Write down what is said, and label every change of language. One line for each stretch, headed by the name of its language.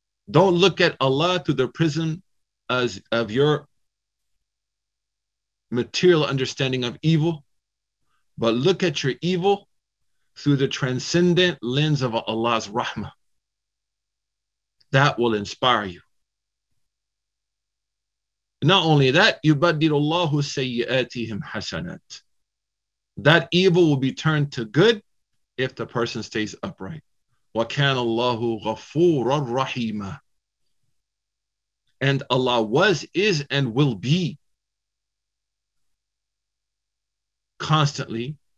English: Don't look at Allah through the prism as of your material understanding of evil, but look at your evil through the transcendent lens of Allah's rahmah. That will inspire you. Not only that,
Arabic: يُبَدِّلُ اللَّهُ سَيِّئَاتِهِمْ حَسَنَاتٍ.
English: that evil will be turned to good if the person stays upright.
Arabic: وَكَانَ اللَّهُ غَفُورًا رَحِيمًا.
English: And Allah was, is, and will be constantly.